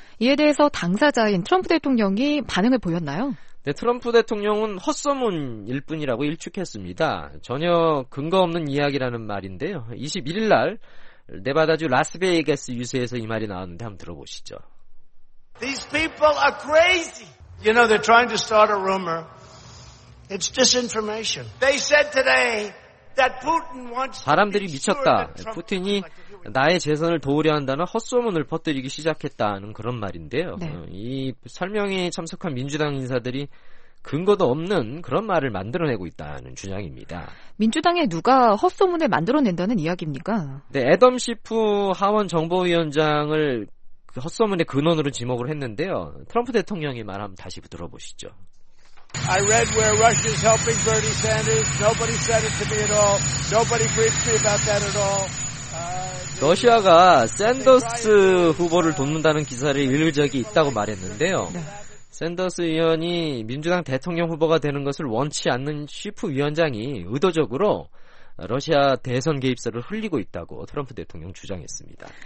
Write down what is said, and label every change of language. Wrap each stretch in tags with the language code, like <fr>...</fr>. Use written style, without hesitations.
<ko>이에 대해서 당사자인 트럼프 대통령이 반응을 보였나요? 네, 트럼프 대통령은 헛소문일 뿐이라고 일축했습니다. 전혀 근거 없는 이야기라는 말인데요. 21일 날 네바다주 라스베이거스 유세에서 이 말이 나왔는데 한번 들어보시죠.</ko> <en>These people are crazy. You know, they're trying to start a rumor. It's disinformation. They said today that Putin wants.</en> <ko>사람들이 미쳤다. 푸틴이 나의 재선을 도우려 한다는 헛소문을 퍼뜨리기 시작했다는 그런 말인데요. 네. 이 설명에 참석한 민주당 인사들이 근거도 없는 그런 말을 만들어내고 있다는 주장입니다. 민주당에 누가 헛소문을 만들어낸다는 이야기입니까? 네, 애덤 시프 하원 정보위원장을 헛소문의 근원으로 지목을 했는데요. 트럼프 대통령의 말 한번 다시 들어보시죠.</ko> <en>I read where Russia is helping Bernie Sanders. Nobody said it to me at all. Nobody briefed me about that at all.</en> <ko>러시아가 샌더스 후보를 돕는다는 기사를 읽을 적이 있다고 말했는데요. 샌더스 의원이 민주당 대통령 후보가 되는 것을 원치 않는 시프 위원장이 의도적으로 러시아 대선 개입설을 흘리고 있다고 트럼프 대통령 주장했습니다.</ko>